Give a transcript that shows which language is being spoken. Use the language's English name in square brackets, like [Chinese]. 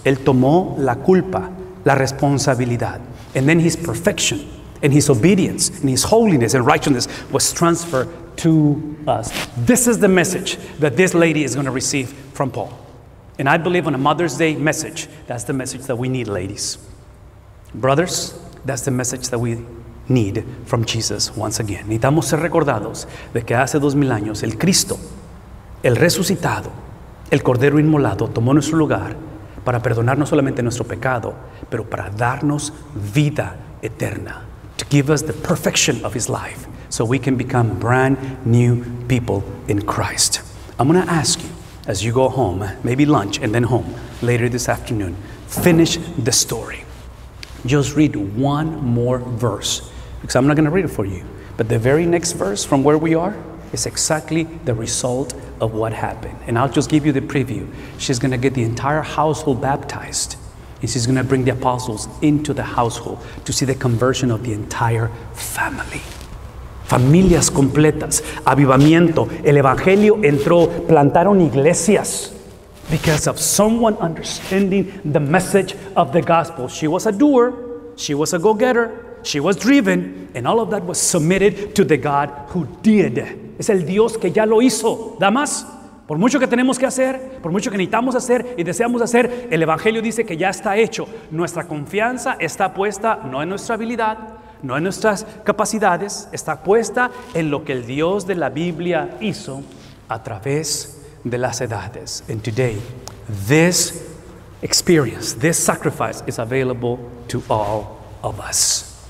[Spanish] Él tomó la culpa, la responsabilidad. [English] And then his perfection and his obedience and his holiness and righteousness was transferred to us. This is the message that this lady is going to receive from Paul. And I believe on a Mother's Day message, that's the message that we need, ladies. Brothers, that's the message that we need from Jesus once again. [Spanish] Necesitamos ser recordados de que hace 2,000 años, el Cristo, el resucitado, el Cordero Inmolado, tomó nuestro lugar para perdonar no solamente nuestro pecado, pero para darnos vida eterna. [English] To give us the perfection of his life, so we can become brand new people in Christ. I'm going to ask you, as you go home, maybe lunch and then home later this afternoon, finish the story. Just read one more verse, because I'm not going to read it for you. But the very next verse from where we are is exactly the result of what happened. And I'll just give you the preview. She's going to get the entire household baptized. And she's going to bring the apostles into the household to see the conversion of the entire family. [Spanish] Familias completas, avivamiento, el evangelio entró, plantaron iglesias. [English] Because of someone understanding the message of the gospel. She was a doer, she was a go-getter, she was driven, and all of that was submitted to the God who did. [Spanish] Es el Dios que ya lo hizo. Damas, por mucho que tenemos que hacer, por mucho que necesitamos hacer y deseamos hacer, el evangelio dice que ya está hecho. Nuestra confianza está puesta no en nuestra habilidad, no en nuestras capacidades, está puesta en lo que el Dios de la Biblia hizo a través de las edades. [English] And today, this experience, this sacrifice is available to all of us.